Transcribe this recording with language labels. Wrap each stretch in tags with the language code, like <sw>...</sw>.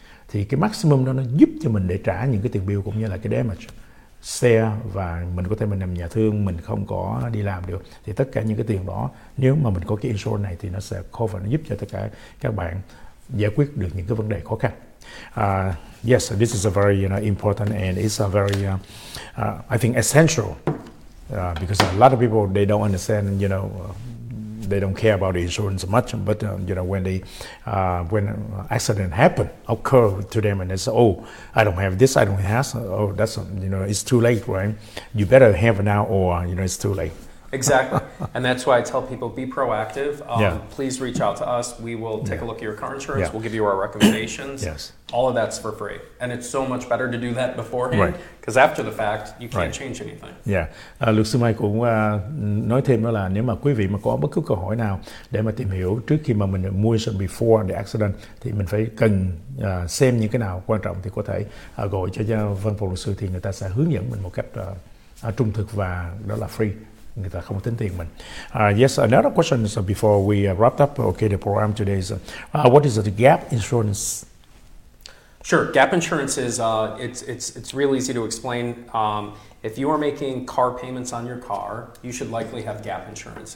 <vi>Thì cái maximum đó nó giúp cho mình để trả những cái tiền bill cũng như là cái damage xe, và mình có thể mình nằm nhà thương, mình không có đi làm được, thì tất cả những cái tiền đó nếu mà mình có cái insurance này thì nó sẽ cover, nó giúp cho tất cả các bạn giải quyết được những cái vấn đề khó khăn.</vi> <en>Yes, this is a very, you know, important, and it's a very I think essential, because a lot of people, they don't understand, you know, they don't care about the insurance much, but you know, when they when an accident happen occur to them and they say, oh, I don't have this, I don't have this, oh, that's, you know, it's too late, right? You better have it now, or you know, it's too late. Exactly. And that's why I tell people, be proactive. Please reach out to us. We will take a look at your car insurance. We'll give you our recommendations. Yes. All of that's for free. And it's so much better to do that beforehand. Right. Because after the fact, you can't change anything. Yeah.</en> <vi>Luật sư Mike cũng nói thêm đó là nếu mà quý vị mà có bất cứ câu hỏi nào để mà tìm hiểu trước khi mà mình mua insurance</vi> <en>before the accident,</en> <vi>thì mình phải cần xem những cái nào quan trọng, thì có thể gọi cho văn phòng luật sư, thì người ta sẽ hướng dẫn mình một cách trung thực, và đó là free. Người ta không tính tiền mình.</vi> <en>Yes, another question is, before we wrap up the program today is, what is the gap insurance? Sure, gap insurance is it's real easy to explain. If you are making car payments on your car, you should likely have gap insurance.</en>